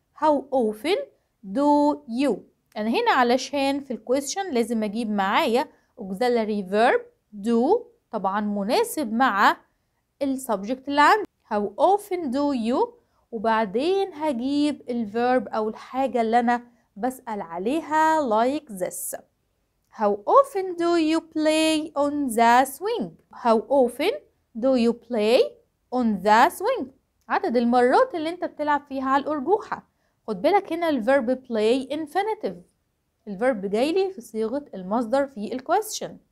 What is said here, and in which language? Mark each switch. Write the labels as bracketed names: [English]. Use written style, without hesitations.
[English] How often do you؟ [Arabic] أنا هنا علشان في الكويستشن لازم أجيب معايا [English] auxiliary verb do، [Arabic] طبعا مناسب مع السبجكت اللي عندي. [English] How often do you؟ [Arabic] وبعدين هجيب الverb أو الحاجة اللي أنا بسأل عليها [English] like this. How often do you play on the swing? How often do you play on the swing؟ [Arabic] عدد المرات اللي انت بتلعب فيها على الأرجوحة. خد بالك هنا الverb [English] play infinitive، [Arabic] الverb جاي لي في صيغة المصدر في الquestion.